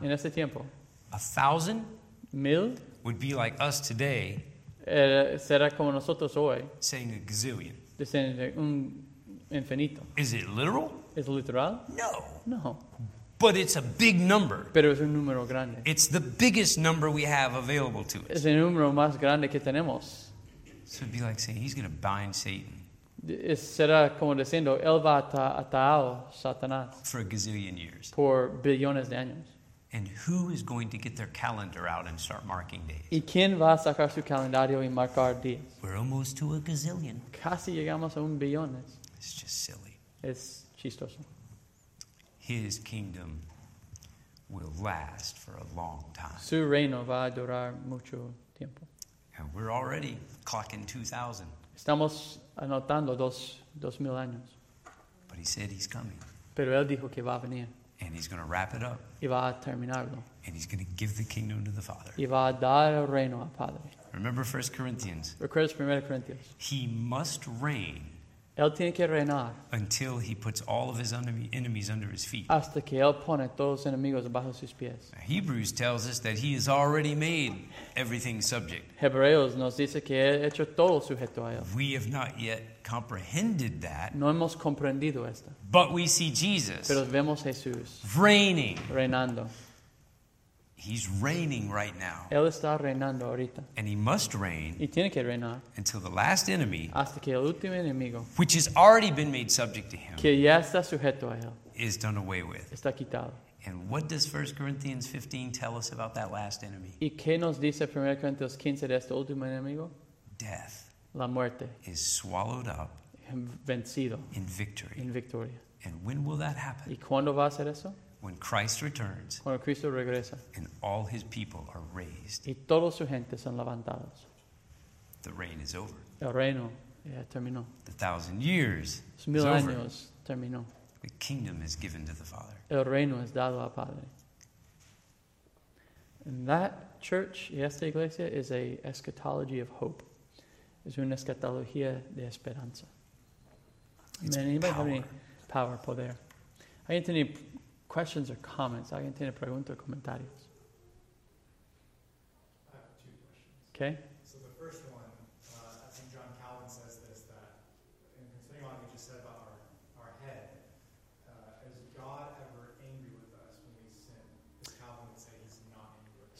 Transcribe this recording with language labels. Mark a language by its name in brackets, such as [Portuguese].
[Spanish] en este tiempo, [English] 1,000 [Spanish] mil [English] would be like us today, [Spanish] será como nosotros hoy, [English] saying a gazillion, [Spanish] diciendo un infinito. [English] Is it literal? [Spanish] ¿Es literal? [English] No. [Spanish] No. [English] But it's a big number. [Spanish] Pero es un número grande. [English] It's the biggest number we have available to us. [Spanish] Es el número más grande que tenemos. [English] So it'd be like saying he's going to bind Satan. [Spanish] Será como diciendo, él va a atar a Satanás. [English] For a gazillion years. [Spanish] Por billones de años. [English] And who is going to get their calendar out and start marking days? [Spanish] ¿Y quién va a sacar su calendario y marcar días? [English] We're almost to a gazillion. [Spanish] Casi llegamos a un billones. [English] It's just silly. [Spanish] Es chistoso. [English] His kingdom will last for a long time. [Spanish] Su reino va a durar mucho tiempo. [English] And we're already clocking 2,000. [Spanish] Estamos anotando 2,000 años. [English] But he said he's coming. [Spanish] Pero él dijo que va a venir. [English] And he's going to wrap it up. [Spanish] Y va a terminarlo. [English] And he's going to give the kingdom to the Father. [Spanish] Y va a dar el reino al Padre. [English] Remember 1 Corinthians. [Spanish] Recuerda 1 Corintios. [English] He must reign. [Spanish] Él tiene que reinar. [English] Until he puts all of his enemies under his feet. [Spanish] Hasta que él pone todos los enemigos bajo sus pies. [English] Now, Hebrews tells us that he has already made everything subject. [Spanish] Hebreos nos dice que ha hecho todo sujeto a él. [English] We have not yet comprehended that. [Spanish] No hemos comprendido esto. [English] But we see Jesus. [Spanish] Pero vemos Jesús. [English] Reigning. [Spanish] Reinando. [English] He's reigning right now. [Spanish] Él está reinando ahorita. [English] And he must reign. [Spanish] Y tiene que reinar. [English] Until the last enemy. [Spanish] Hasta que el último enemigo. [English] Which has already been made subject to him. [Spanish] Que ya está sujeto a él. [English] Is done away with. [Spanish] Está quitado. [English] And what does 1 Corinthians 15 tell us about that last enemy? [Spanish] ¿Y qué nos dice 1 Corintios 15 de este último enemigo? [English] Death. [Spanish] La muerte. [English] Is swallowed up. [Spanish] Vencido. [English] In victory. [Spanish] En victoria. [English] And when will that happen? [Spanish] ¿Y cuándo va a ser eso? [English] When Christ returns, [Spanish] cuando Cristo regresa, [English] and all his people are raised, [Spanish] y todos su gente son levantados, [English] the reign is over. [Spanish] El reino ya terminó. [English] The 1,000 years [Spanish] es mil [English] is [Spanish] años [English] over. [Spanish] Terminó. [English] The kingdom is given to the Father. [Spanish] El reino es dado al Padre. [English] And that church, [Spanish] y esta iglesia, [English] is a eschatology of hope. [Spanish] Es una escatología de esperanza. [English] It's power. [Spanish] ¿Alguien tiene [English] questions or comments? [Spanish] ¿Alguien tiene preguntas o comentarios? [English] I have two questions. Okay. So the first one, I think John Calvin says this, that in continuing on what you said about our head, is God ever angry with us when we sin? Because Calvin would say he's not angry with us.